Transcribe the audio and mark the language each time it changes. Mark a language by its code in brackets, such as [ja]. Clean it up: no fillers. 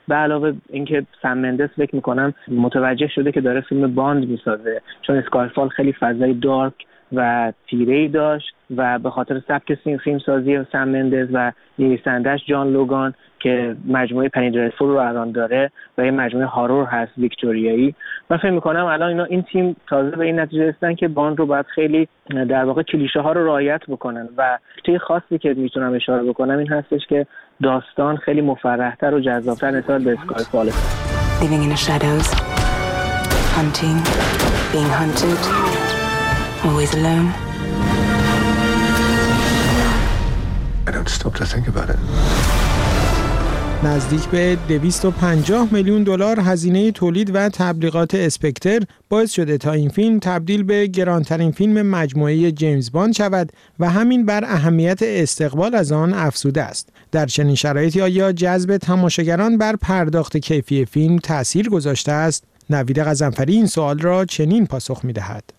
[fa] به علاوه اینکه سم مندس فکر می‌کنم متوجه شده که داره فیلم باند می‌سازه، چون اسکایفال خیلی فضای دارک و تیره‌ای داشت و به خاطر سبک فیلم سازی سم مندس و نویسنده‌اش جان لوگان که مجموعه پنی دردفول رو الان داره و یه مجموعه هارور هست ویکتوریایی، من فکر میکنم الان اینا این تیم تازه به این نتیجه رسیدن که باند رو باید خیلی در واقع کلیشه ها رو رعایت بکنن. و چیز خاصی که میتونم اشاره بکنم این هستش که داستان خیلی مفرح‌تر و جذاب‌تر نسبت به اسکایفال. [en] Living in the shadows, hunting, being hunted, always alone. I don't stop to think about it. [fa] نزدیک به 250 میلیون دلار هزینه تولید و تبلیغات اسپکتر باعث شده تا این فیلم تبدیل به گرانترین فیلم مجموعه جیمز باند شود و همین بر اهمیت استقبال از آن افزوده است. در چنین شرایطی آیا جذب تماشاگران بر پرداخت کیفی فیلم تأثیر گذاشته است؟ نوید غضنفری این سوال را چنین پاسخ می‌دهد: